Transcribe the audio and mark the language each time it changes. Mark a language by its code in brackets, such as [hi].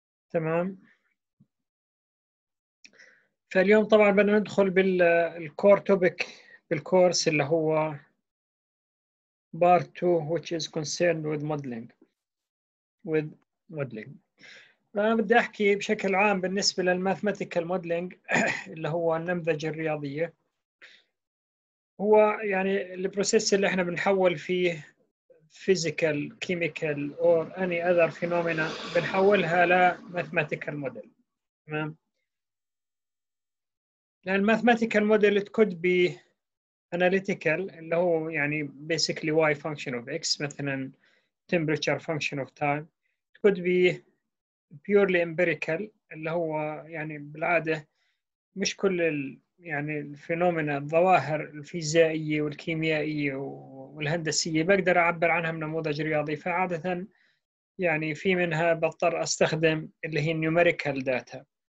[ar] تمام، فاليوم طبعا بدنا ندخل بالكور توبيك بالكورس اللي هو بار 2 [en] which is concerned with modeling [ar] فأنا بدي احكي بشكل عام بالنسبه للماثيماتيكال مودلينج اللي هو النمذجه الرياضيه. هو يعني البروسيس اللي احنا بنحول فيه فيزيكال كيميكال اور اني اذر فينومينا بنحولها لماثيماتيكال موديل. تمام، لأن الماثماتيكال موديل [en] it could be analytical [ar] اللي هو يعني [en] basically y function of x [ar] مثلا [en] temperature function of time. It could be purely empirical [ar] اللي هو يعني بالعادة مش كل يعني الفينومينا الظواهر الفيزيائية والكيميائية والهندسية بقدر أعبر عنها بنموذج رياضي، فعادة يعني في منها بضطر أستخدم اللي هي [en] numerical data.